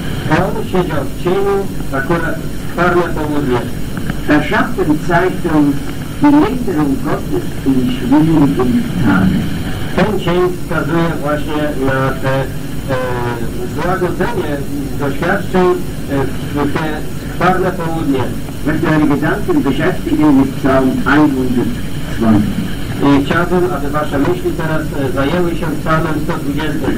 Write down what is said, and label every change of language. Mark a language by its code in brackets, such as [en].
[pl] On siedział w cieniu, akurat w skwarne południe. [de] Der Schatten zeigt uns die Linderung Gottes in schwierigen Tagen. [pl] Ten cień wskazuje właśnie na te złagodzenie doświadczeń w te skwarne południe. [de] Möchte deine Gedanken beschäftigen mit Psalm 120. [pl] I chciałbym, aby wasze myśli teraz zajęły się Psalmem 120.